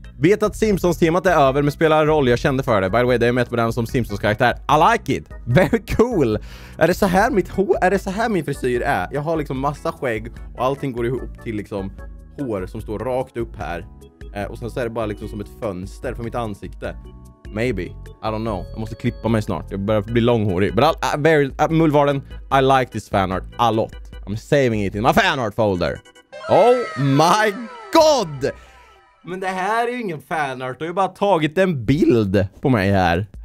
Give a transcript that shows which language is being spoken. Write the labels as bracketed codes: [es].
[sv] Vet att Simpsons-temat är över, men spelar roll. Jag kände för det. [en] By the way, [sv] det är med på den som Simpsons-karaktär. [en] I like it. Very cool. [sv] Är det så här mitt hår? Är det så här min frisyr är? Jag har liksom massa skägg och allting går ihop till liksom hår som står rakt upp här. Och sen så är det bara liksom som ett fönster för mitt ansikte. [en] Maybe. I don't know. [sv] Jag måste klippa mig snart. Jag börjar bli långhårig. [en] But Mulvarden, I like this fanart a lot. I'm saving it in my fanart folder. Oh my god! [sv] Men det här är ju ingen fanart. Du har ju bara tagit en bild på mig här.